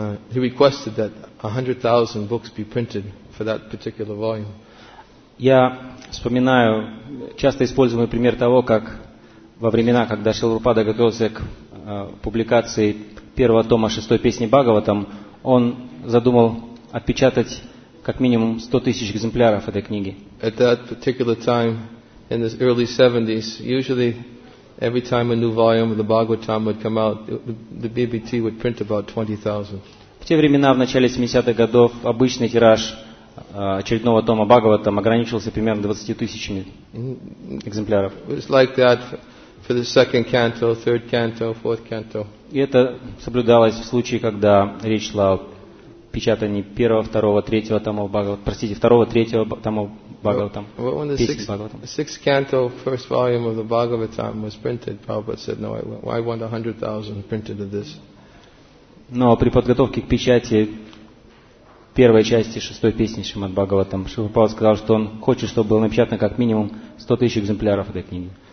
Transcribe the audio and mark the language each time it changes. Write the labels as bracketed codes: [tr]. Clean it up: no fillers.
[en] He requested that 100,000 books be printed for that particular volume. [ru] Я вспоминаю часто используемый пример того, как во времена, когда Шрила Прабхупада готовился к публикации первого тома шестой песни Бхагаватам, он задумал отпечатать как минимум 100,000 экземпляров этой книги. [en] At that particular time, in the early 70s, usually every time a new volume of the Bhagavatam would come out, the BBT would print about 20,000. [ru] В те времена, в начале 70-х годов, обычный тираж очередного тома Бхагаватам ограничивался примерно 20,000 экземпляров. [en] It was like that for the second canto, third canto, fourth canto. [ru] И это соблюдалось в случае, когда речь шла о печатании первого, второго, третьего тома Бхагаватам. Простите, второго, третьего тома Бхагаватам. [en] When the sixth canto, first volume of the Bhagavatam was printed, Prabhupada said, "No, I want 100,000 printed of this." [ru] Но при подготовке к печати первой части шестой песни Шримад Бхагаватам, Шрила Прабхупада сказал, что он хочет, чтобы было напечатано как минимум 100,000 экземпляров этой книги.